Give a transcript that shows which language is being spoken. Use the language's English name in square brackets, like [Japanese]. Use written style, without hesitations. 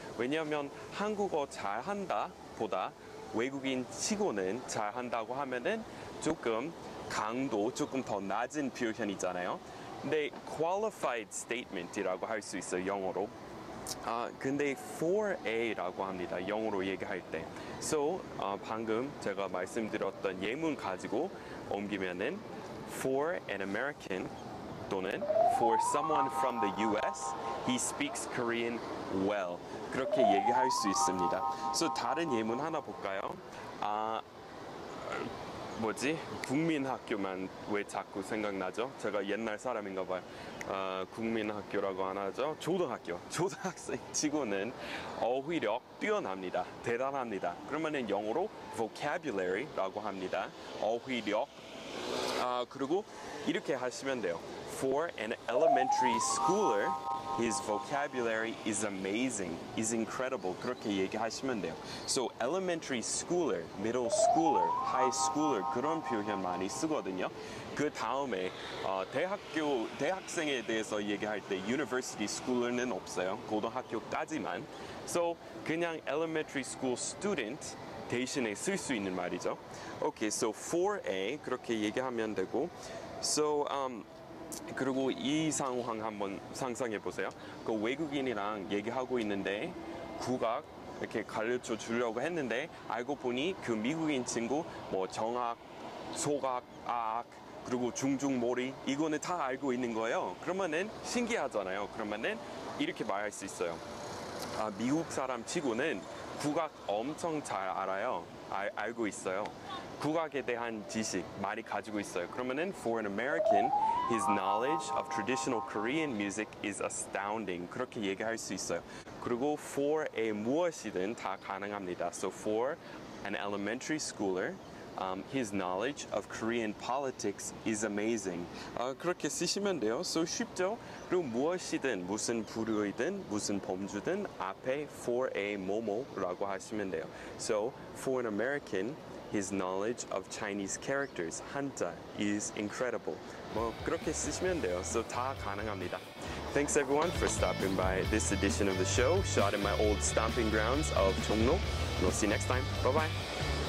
[Korean] 왜냐하면 한국어 잘한다 보다 외국인 치고는 잘한다고 하면은 조금 강도 조금 더 낮은 표현이잖아요. 근데 [English] qualified statement [Korean] 이라고 할 수 있어요 영어로. 아, 근데 [English] for a [Korean] 라고 합니다 영어로 얘기할 때. [English] So [Korean] 방금 제가 말씀드렸던 예문 가지고 옮기면은 [English] for an American 또는 for someone from the US, he speaks Korean well. [Korean] 그렇게 얘기할 수 있습니다. So 다른 예문 하나 볼까요? 아, 뭐지? 국민학교만 왜 자꾸 생각나죠? 제가 옛날 사람인가 봐요. 국민학교라고 안 하죠? 초등학교. 초등학생 치고는 어휘력 뛰어납니다. 대단합니다. 그러면은 영어로 vocabulary라고 합니다. 어휘력. 아, 그리고 이렇게 하시면 돼요. [English] For an elementary schooler, his vocabulary is amazing, is incredible. [Korean] 그렇게 얘기하시면 돼요. [English] So elementary schooler, middle schooler, high schooler [Korean] 그런 표현 많이 쓰거든요. 그 다음에 대학생에 대해서 얘기할 때 university schooler는 없어요. 고등학교까지만. So 그냥 [English] elementary school student [Korean] 대신에 쓸 수 있는 말이죠. [English] Okay, so for a [Korean] 그렇게 얘기하면 되고. So 그리고 이 상황 한번 상상해 보세요. 그 외국인이랑 얘기하고 있는데 국악 이렇게 가르쳐 주려고 했는데 알고 보니 그 미국인 친구 뭐 정악, 소악, 아악 그리고 중중모리 이거는 다 알고 있는 거예요. 그러면은 신기하잖아요. 그러면은 이렇게 말할 수 있어요. 아, 미국 사람 치고는 국악 엄청 잘 알아요. 알고 있어요. 국악에 대한 지식 많이 가지고 있어요. 그러면은 [English] for an American, his knowledge of traditional Korean music is astounding. [Korean] 그렇게 얘기할 수 있어요. 그리고 [English] for a [Korean] 무엇이든 다 가능합니다. [English] So for an elementary schooler, his knowledge of Korean politics is amazing. [Korean] 그렇게 쓰시면 돼요. So 쉽죠? 그리고 무엇이든 무슨 부류이든 무슨 범주든 앞에 [English] for a [Korean] 뭐뭐라고 하시면 돼요. [English] So for an American, his knowledge of Chinese characters, [Korean] 한자, [English] is incredible. [Korean] 뭐 그렇게 쓰시면 돼요. So 다 가능합니다. [English] Thanks everyone for stopping by this edition of the show, shot in my old stomping grounds of 종로. We'll see you next time. Bye-bye.